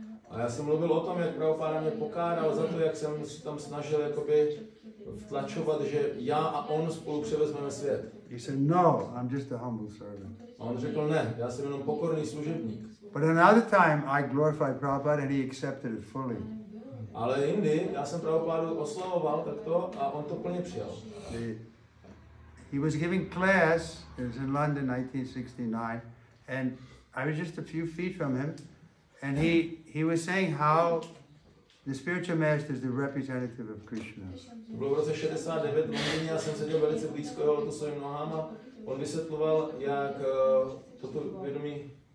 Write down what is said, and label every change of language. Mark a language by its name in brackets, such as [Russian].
[Czech] A já jsem mluvil o tom, jak Prabhupada mě pokáral za to, jak jsem se tam snažil jakoby vtlačovat, že já a on spolu převezmeme svět. [English] He said, no, I'm just a humble servant. [Czech] A on řekl, ne, já jsem jenom pokorný služebník. [English] But another time I glorified Prabhupada and he accepted it fully. [Czech] Ale jindy, já jsem Prabhupádu oslovoval takto a on to plně přijal. [English] He was giving class, it was in London 1969, and I was just a few feet from him. And he was saying how the spiritual master is the representative of Krishna. [Czech] To bylo v roce 69 v Londýně, já jsem seděl velice blízko jeho lotosovým nohám a on vysvětloval, jak toto vědomí...